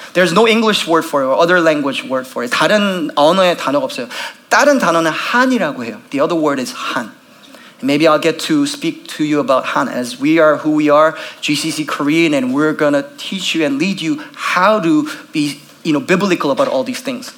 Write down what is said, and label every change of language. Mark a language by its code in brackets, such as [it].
[en] There's no English word for it or other language word for it. [ko] 다른 언어의 단어가 없어요. 다른 단어는 한이라고 해요. [en] The other word is 한. Maybe I'll get to speak to you about 한 as we are who we are, GCC Korean, and we're going to teach you and lead you how to be, you know, biblical about all these things.